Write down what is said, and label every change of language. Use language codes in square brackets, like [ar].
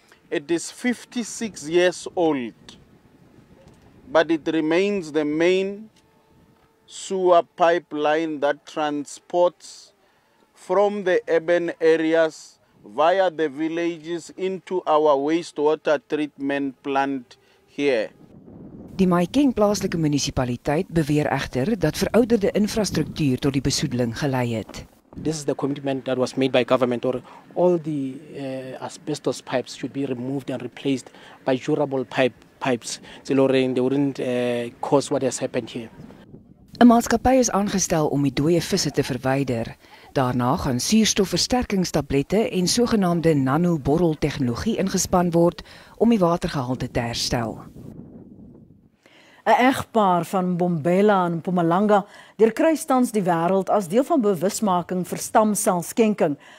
[en] It is 56 years old. But it remains the main sewer pipeline that transports from the urban areas via the villages into our wastewater treatment plant here. [af] Die Mahikeng plaaslike munisipaliteit beweer egter dat verouderde infrastruktuur tot die besoedeling gelei het. [en] This is the commitment that was made by government, or all the asbestos pipes should be removed and replaced by durable pipes. Zilorin, they wouldn't cause what has happened here. [af] 'N maatskappy is aangestel om die dooie visse te verwyder. Daarna gaan suurstofversterkingstablette en sogenaamde nanoborreltegnologie ingespan word om die watergehalte te herstel. 'N egpaar van Bombela en Mpumalanga deurkruis tans die wêreld as deel van bewusmaking vir stamselskenking.